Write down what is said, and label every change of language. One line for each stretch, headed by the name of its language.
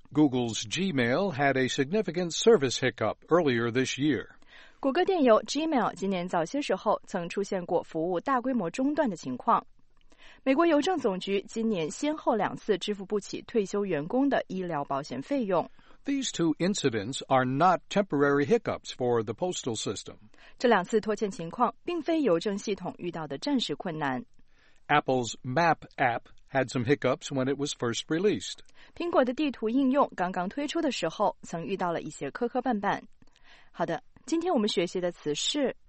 English: Google's Gmail had a significant service hiccup earlier this year.
Chinese: 谷歌电邮 Gmail 今年早些时候曾出现过服务大规模中断的情况。美国邮政总局今年先后两次支付不起退休员工的医疗保险费用。
English: These two incidents are not temporary hiccups for the postal system.
Chinese: 这两次拖欠情况并非邮政系统遇到的暂时困难。
English: Apple's Map app had some hiccups when it was first released.
Chinese: 苹果的地图应用刚刚推出的时候曾遇到了一些磕磕绊绊。好的，今天我们学习的词是